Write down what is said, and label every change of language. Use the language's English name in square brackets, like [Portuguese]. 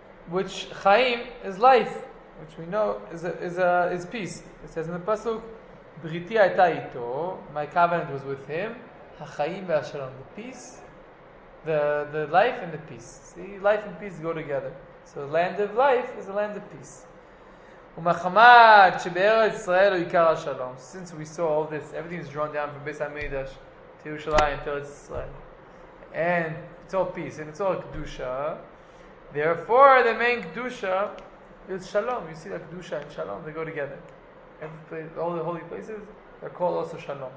[English] Which Chaim is life, which we know is peace. It says in the Pasuk, [Hebrew] בריתי הייתה איתו, [English] my covenant was with him, [Hebrew] החיים והשלום, [English] the peace, the life and the peace. See, life and peace go together. So the land of life is the land of peace. [Hebrew] ומחמת שבארץ ישראל הוא עיקר השלום. [English] Since we saw all this, everything is drawn down from Beis HaMikdash to Yerushalayim, to Eretz Yisrael. And it's all peace, and it's all Kedusha. Therefore, the main Kedusha is Shalom. You see that Kedusha and Shalom, they go together. All the holy places are called also Shalom.